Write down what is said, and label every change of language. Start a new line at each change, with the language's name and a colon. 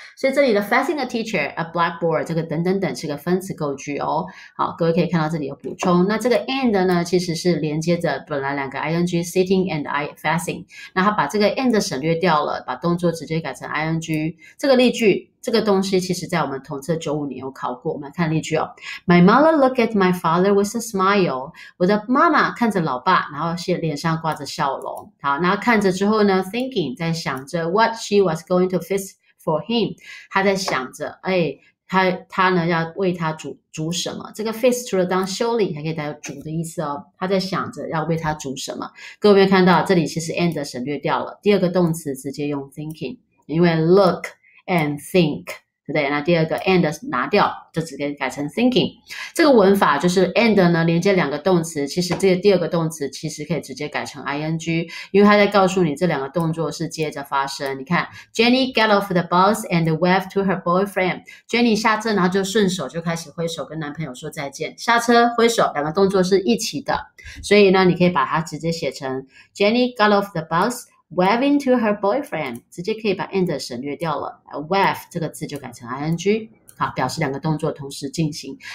Chinese: 所以这里的
English: facing a teacher a blackboard
Chinese: 这个等等等是个分词构句哦。好，各位可以看到这里有补充。那这个 and 呢，其实是连接着本来两个 ing
English: sitting and I facing。
Chinese: 那他把这个 and 省略掉了，把动作直接改成 ing。这个例句，这个东西其实在我们统测95年有考过。我们来看例句哦。
English: My mother look at my father with a smile。
Chinese: 我的妈妈看着老爸，然后脸上挂着笑容。好，然后看着之后呢， thinking 在想着
English: what she was going to fix for him。
Chinese: 她在想着她呢要为他煮什么。这个 fix 除了当修理还可以带煮的意思哦。她在想着要为他煮什么。各位看到这里其实 and 省略掉了，第二个动词直接用 thinking， 因为
English: look and think，
Chinese: 对不对？那第二个 and 拿掉，就直接改成 thinking。这个文法就是 and 呢连接两个动词，其实这个第二个动词其实可以直接改成 ing， 因为它在告诉你这两个动作是接着发生。
English: 你看 Jenny got off the bus and waved to her boyfriend。
Chinese: Jenny 下车，然后就顺手就开始挥手跟男朋友说再见，下车挥手，两个动作是一起的。所以呢，你可以把它直接写成
English: Jenny got off the busWaving to her boyfriend，
Chinese: 直接可以把 and 省略掉了， wave 这个字就改成 ing， 好，表示两个动作同时进行。